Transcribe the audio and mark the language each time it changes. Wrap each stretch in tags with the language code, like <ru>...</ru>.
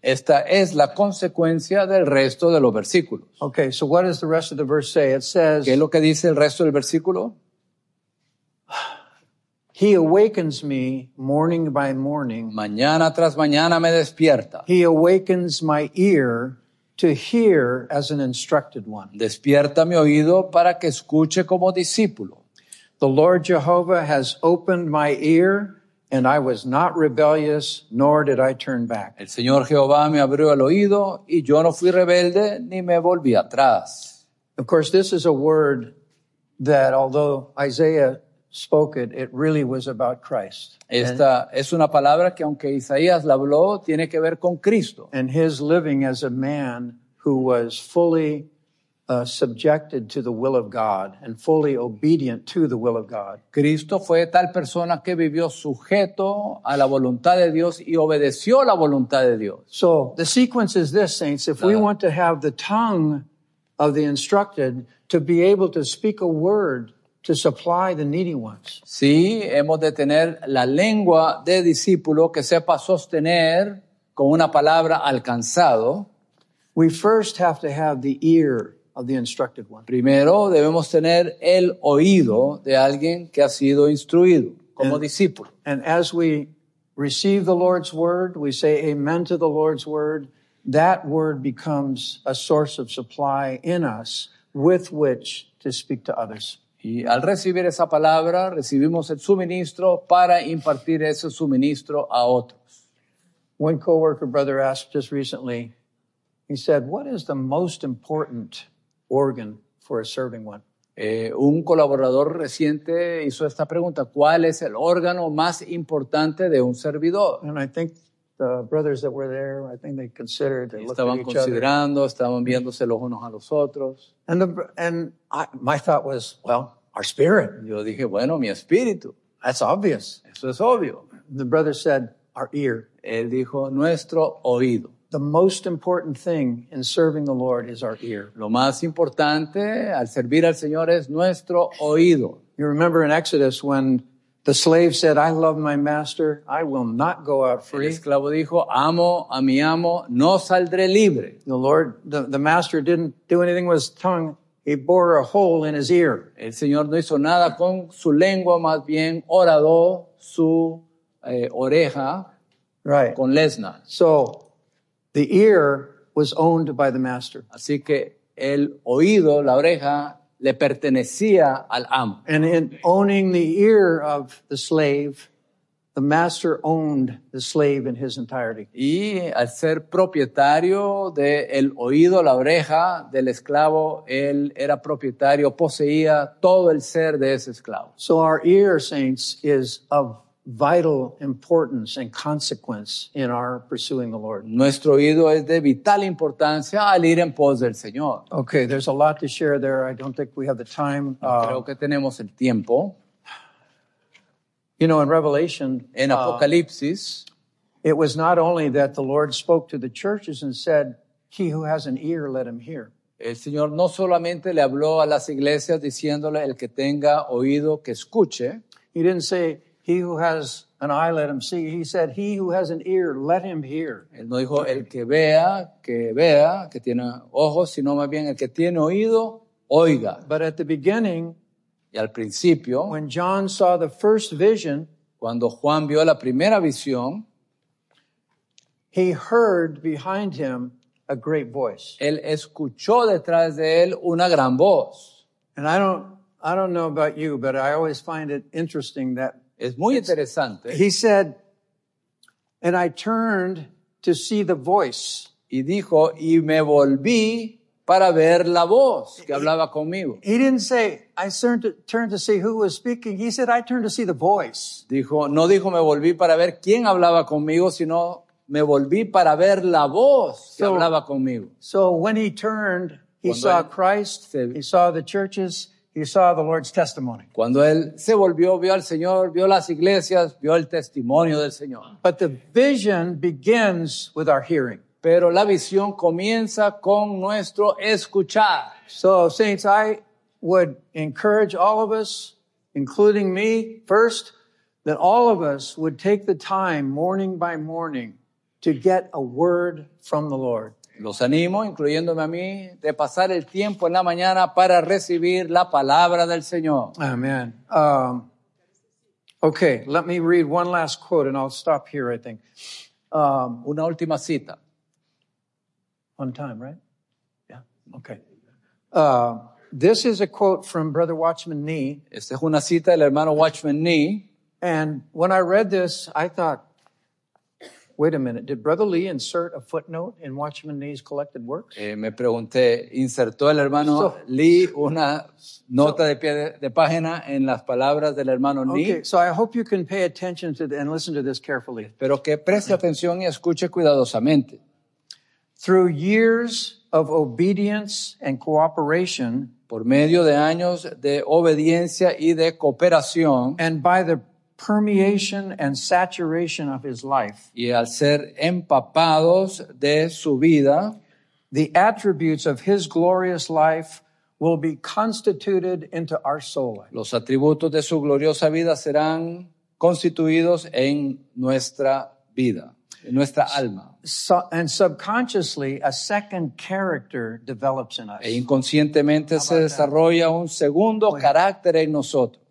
<es>Esta es la consecuencia del resto de los versículos.</es> <en>Okay, so what does the rest of the verse say? It says,</en> <es>¿qué es lo que dice el resto del versículo?</es> <en>He awakens me morning by morning.</en> <es>Mañana tras mañana me despierta.</es> <en>He awakens my ear to hear as an instructed one.</en> <es>Despierta mi oído para que escuche como discípulo.</es> <en>The Lord Jehovah has opened my ear, and I was not rebellious, nor did I turn back.</en> <es>El Señor Jehová me abrió el oído, y yo no fui rebelde, ni me volví atrás.</es> <en>Of course, this is a word that, although Isaiah spoke it, it really was about Christ.</en> <es>Esta es una palabra que, aunque Isaías la habló, tiene que ver con Cristo.</es> <en>And his living as a man who was fully subjected to the will of God and fully obedient to the will of God.</en> <es>Cristo fue tal persona que vivió sujeto a la voluntad de Dios y obedeció la voluntad de Dios.</es> <en>So the sequence is this, saints. If we want to have the tongue of the instructed to be able to speak a word to supply the needy ones.</en> <es>Sí, hemos de tener la lengua de discípulo que sepa sostener con una palabra alcanzado.</es> <en>We first have to have the ear of the instructed one.</en> <es>Primero debemos tener el oído de alguien que ha sido instruido como discípulo.</es> <en>And as we receive the Lord's word, we say amen to the Lord's word, that word becomes a source of supply in us with which to speak to others.</en> <es>Y al recibir esa palabra, recibimos el suministro para impartir ese suministro a otros.</es> <en>One coworker brother asked just recently, he said, what is the most important organ for a serving one?</en> <es>Un colaborador reciente hizo esta pregunta, ¿cuál es el órgano más importante de un servidor?</es> <en>And I think the brothers that were there, I think they considered, they looked at each other.</en> <es>Estaban considerando, estaban viéndose los unos a los otros.</es> <en>And my thought was, well, our spirit.</en> <es>Yo dije, bueno, mi espíritu.</es> <en>That's obvious.</en> <es>Eso es obvio.</es> <en>The brother said, our ear.</en> <es>Él dijo, nuestro oído.</es> <en>The most important thing in serving the Lord is our ear.</en> <es>Lo más importante al servir al Señor es nuestro oído.</es> <en>You remember in Exodus when the slave said, I love my master, I will not go out free.</en> <es>El esclavo dijo, amo a mi amo, no saldré libre.</es> <en>The Lord, the master didn't do anything with his tongue. He bore a hole in his ear.</en> <es>El Señor no hizo nada con su lengua, más bien horadó su oreja</es> <en>right.</en> <es>con lesna.</es> <en>So, the ear was owned by the master.</en> <es>Así que el oído, la oreja, le pertenecía al amo.</es> <en>And in owning the ear of the slave, the master owned the slave in his entirety.</en> <es>Y al ser propietario de el oído, la oreja del esclavo, él era propietario, poseía todo el ser de ese esclavo.</es> <en>So our ear, saints, is of vital importance and consequence in our pursuing the Lord.</en> <es>Nuestro oído es de vital importancia al ir en pos del Señor.</es> <en>Okay, there's a lot to share there. I don't think we have the time.</en> <es>Creo que tenemos el tiempo.</es> <en>You know, in Revelation,</en> <es>en Apocalipsis,</es> <en>it was not only that the Lord spoke to the churches and said, he who has an ear, let him hear.</en> <es>El Señor no solamente le habló a las iglesias diciéndole, el que tenga oído, que escuche.</es> <en>He didn't say, he who has an eye, let him see. He said, he who has an ear, let him hear.</en> <es>Él no dijo, el que vea, que tiene ojos, sino más bien, el que tiene oído, oiga.</es> <en>But at the beginning,</en> <es>y al principio,</es> <en>when John saw the first vision,</en> <es>cuando Juan vio la primera visión,</es> <en>he heard behind him a great voice.</en> <es>Él escuchó detrás de él una gran voz.</es> <en>And I don't know about you, but I always find it interesting that</en> <es>es muy interesante.</es> <en>He said, and I turned to see the voice.</en> <es>Y dijo, y me volví para ver la voz que hablaba conmigo.</es> <en>He didn't say, I turned to see who was speaking. He said, I turned to see the voice.</en> <es>Dijo, no dijo me volví para ver quién hablaba conmigo, sino me volví para ver la voz que hablaba conmigo.</es> <en>So when he turned, he saw Christ, he saw the churches, he saw the Lord's testimony.</en> <es>Cuando él se volvió, vio al Señor, vio las iglesias, vio el testimonio del Señor.</es> <en>But the vision begins with our hearing.</en> <es>Pero la visión comienza con nuestro escuchar.</es> <en>So, saints, I would encourage all of us, including me, first, that all of us would take the time, morning by morning, to get a word from the Lord.</en> <es>Los animo, incluyéndome a mí, de pasar el tiempo en la mañana para recibir la palabra del Señor.</es> <en>Amen. Okay, let me read one last quote and I'll stop here, I think.</en> <es>Una última cita.</es> <en>On time, right? Yeah. Okay. This is a quote from Brother Watchman Nee.</en> <es>Esta es una cita del hermano Watchman Nee.</es> <en>And when I read this, I thought, wait a minute, did Brother Lee insert a footnote in Watchman Nee's collected works?</en> <es>Me pregunté, ¿insertó el hermano Lee una nota de página en las palabras del hermano Nee?</es> <en>Okay, so I hope you can pay attention to and listen to this carefully.</en> <es>Espero que preste atención y escuche cuidadosamente.</es> <en>Through years of obedience and cooperation,</en> <es>por medio de años de obediencia y de cooperación,</es> <en>and by the permeation and saturation of his life,</en> <es>y al ser empapados de su vida,</es> <en>the attributes of his glorious life will be constituted into our soul.</en> <es>Los atributos de su gloriosa vida serán constituidos en nuestra vida, en nuestra alma.</es> <en>And subconsciously, a second character develops in us.</en> <es>E inconscientemente se desarrolla un segundo carácter en nosotros.</es>